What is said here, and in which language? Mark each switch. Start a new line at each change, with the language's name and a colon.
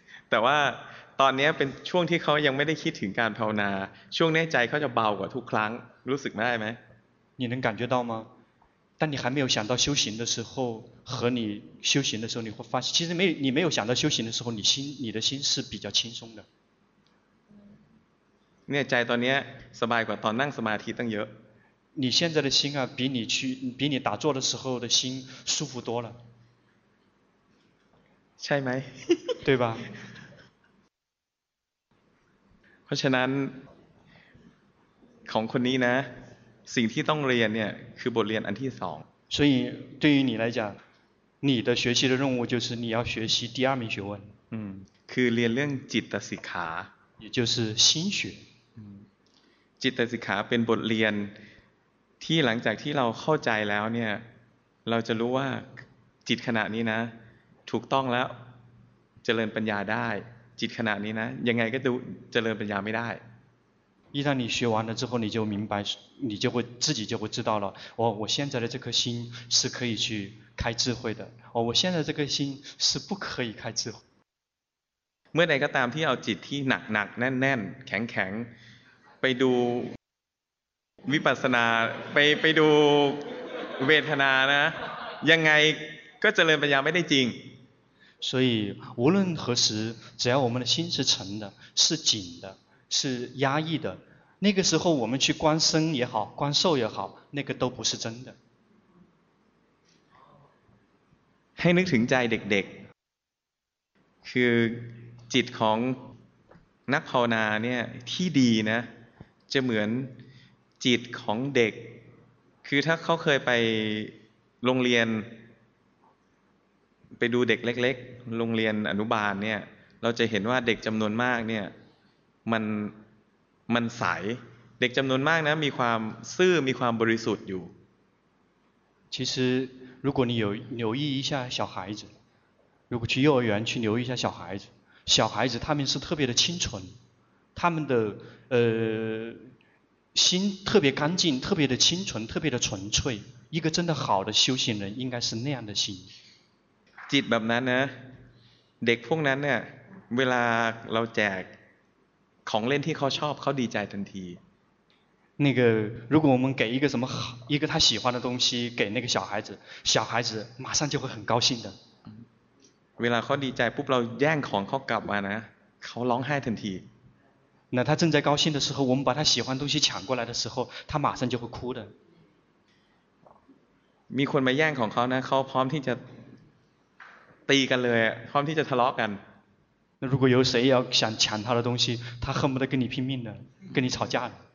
Thai: แต่ว่าตอนนี้เป็นช่วงที่เขายังไม่ได้คิดถึงการภาวนาช่วงนี้ใจเขาจะเบากว่าทุกครั้งรู้สึกได้ไหม
Chinese: 你能感觉到吗当你还没有想到修行的时候和你修行的时候你会发现其实你没有想到修行的时候你的心是比较轻松的
Thai: เนี่ยใจตอนนี้สบายกว่าตอนนั่งสมาธิตั้งเยอะ
Chinese: 你现在的心啊比你打坐的时候的心舒服多了
Thai: ใช่ไหม
Chinese: 对吧
Thai: เพราะฉะนั้นของคนนี้นะสิ่งที่ต้องเรียนเนี่ยคือบทเรียนอันที่สอง
Chinese: 所以对于你来讲你的学习的任务就是你要学习第二名学问
Thai: คือเรียนเรื่องจิตสิกขา
Chinese: 也就是心学
Thai: จิตสิกขาเป็นบทเรียนที่หลังจากที่เราเข้าใจแล้วเนี่ยเราจะรู้ว่าจิตขณะนี้นะถูกต้องแล้วเจริญปัญญาได้จิตขณะนี้นะยังไงก็ดูเจริญปัญญาไม่ได้
Chinese: 一旦你学完了之后你就明白你就会自己就会知道了我现在的这颗心是可以去开智慧的我现在这颗心是不可以开智慧
Thai: เมื่อใดก็ตามที่เอาจิตที่หนักหนักแน่นแน่นแข็งแข็งไปดูวิปัสสนาไปดูเวทนานะยังไงก็เจริญปัญญาไม่ได้จริง
Chinese: 所以无论何时只要我们的心是沉的是紧的是压抑的那个时候我们去观身也好观受也好那个都不是真的
Thai: ให้นึกถึงใจเด็กๆคือจิตของนักภาวนาเนี่ยที่ดีนะจะเหมือนจิตของเด็กคือถ้าเขาเคยไปโรงเรียนไปดูเด็กเล็กๆโรงเรียนอนุบาลเนี่ยเราจะเห็นว่าเด็กจำนวนมากเนี่ยมันใสเด็กจำนวนมากนะมีความซื่อมีความบริสุทธิ์อยู่
Chinese: 其实如果你有留意一下小孩子如果去幼儿园去留意一下小孩子他们是特别的清纯他们的心特别干净特别的清纯特别的纯粹一个真的好的修行人应该是那样的心
Thai: จิตแบบนั้นนะเด็กพวกนั้นเนี่ยเวลาเราแจก ของเล่นที่เขาชอบเขาดีใจทันที
Chinese: 那个如果我们给一个什么好一个他喜欢的东西给那个小孩子小孩子马上就会很高兴的
Thai: เวลาเขาดีใจปุ๊บเราแย่งของเขากลับมานะเขาร้องไห้ทันที
Chinese: 那他正在高兴的时候我们把他喜欢东西抢过来的时候他马上就会哭的
Thai: มีคนมาแย่งของเขานะเขาพร้อมที่จะตีกันเลยพร้อมที่จะทะเลาะกัน
Chinese: 那如果有谁要想抢他的东西他恨不得跟你拼命的跟你吵架的